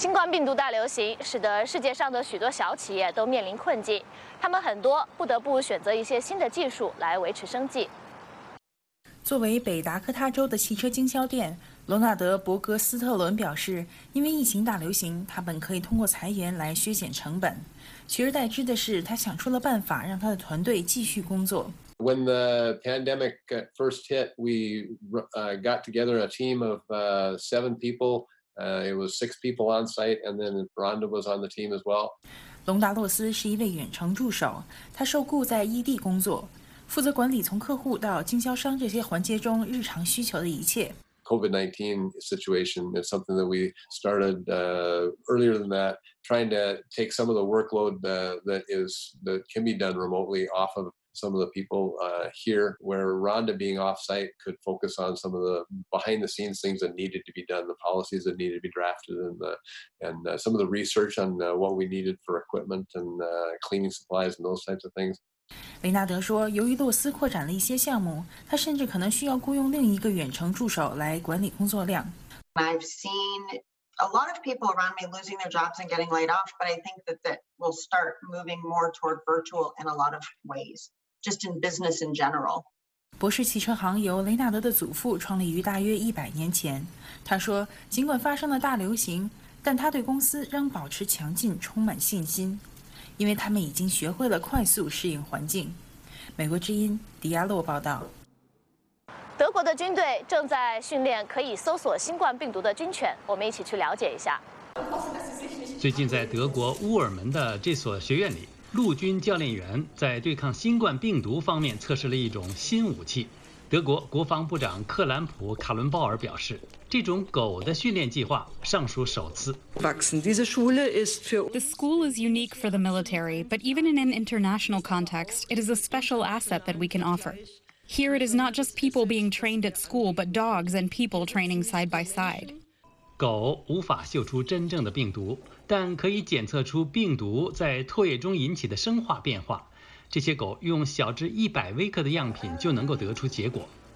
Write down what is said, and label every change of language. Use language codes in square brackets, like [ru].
[zh] 病毒大流行使得世界上的许多小企业都面临困境，他们很多不得不选择一些新的技术来维持生计。作为北达科他州的汽车经销店，罗纳德·伯格斯特伦表示，因为疫情大流行，他本可以通过裁员来削减成本，取而代之的是他想出了办法让他的团队继续工作。 [en] When the pandemic first hit, we got together a team of seven people. It was six people on site, and then Rhonda was on the team as well. [zh] 龙达洛斯是一位远程助手，他受雇在异地工作，负责管理从客户到经销商这些环节中日常需求的一切。 [en] COVID-19 situation is something that we started earlier than that, trying to take some of the workload that can be done remotely off of some of the people here, where Rhonda being off-site could focus on some of the behind-the-scenes things that needed to be done, the policies that needed to be drafted, and some of the research on what we needed for equipment and cleaning supplies and those types of things. [zh] 雷纳德说，由于洛斯扩展了一些项目，他甚至可能需要雇佣另一个远程助手来管理工作量。 [en] I've seen a lot of people around me losing their jobs and getting laid off, but I think that will start moving more toward virtual in a lot of ways, just in business in general. [zh] 博士汽车行由雷纳德的祖父创立于大约100年前。他说，尽管发生了大流行，但他对公司仍保持强劲，充满信心，因为他们已经学会了快速适应环境。美国之音迪亚洛报道。德国的军队正在训练可以搜索新冠病毒的军犬，我们一起去了解一下。最近在德国乌尔门的这所学院里，陆军教练员在对抗新冠病毒方面测试了一种新武器。德国国防部长克兰普·卡伦鲍尔表示，这种狗的训练计划尚属首次。 [en] The school is unique for the military, but even in an international context, it is a special asset that we can offer. Here it is not just people being trained at school, but dogs and people training side by side. [zh] 狗无法嗅出真正的病毒，但可以检测出病毒在唾液中引起的生化变化。这些狗用小至100微克的样品就能够得出结果。